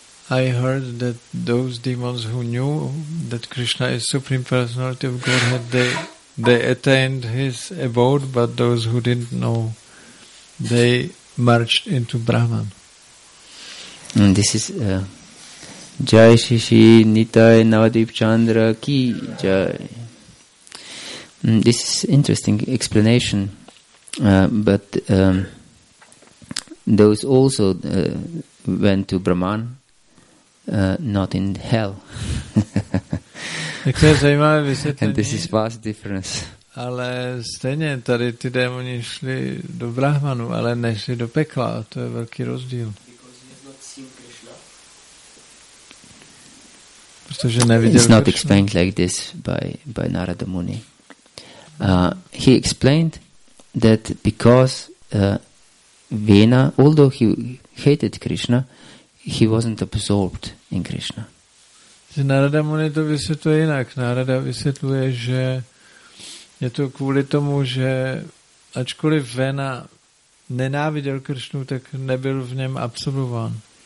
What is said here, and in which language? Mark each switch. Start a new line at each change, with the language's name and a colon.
English: I heard that those demons who knew that Krishna is Supreme Personality of Godhead, they attained his abode, but those who didn't know, they marched into Brahman. And this is Jai Shishi Nitai Navadip Chandra Ki Jai. This is interesting explanation, but those also went to Brahman. Not in hell.
Czech: To je zajímavé vysvětlení.
English: And this is vast difference.
Czech: Ale stejně tady ty démoni šli do Brahmanu, ale nešli do pekla, a to je velký rozdíl. Protože neviděl.
English: It's not explained like this by Narada Muni. He explained that because Vena, although he hated Krishna, he wasn't absorbed in Krishna.
Czech: Narada Muni to vysvětluje jinak. Narada vysvětluje, že je to kvůli tomu, že ačkoliv Vena nenáviděl Krishnu, tak nebyl v něm absorbován.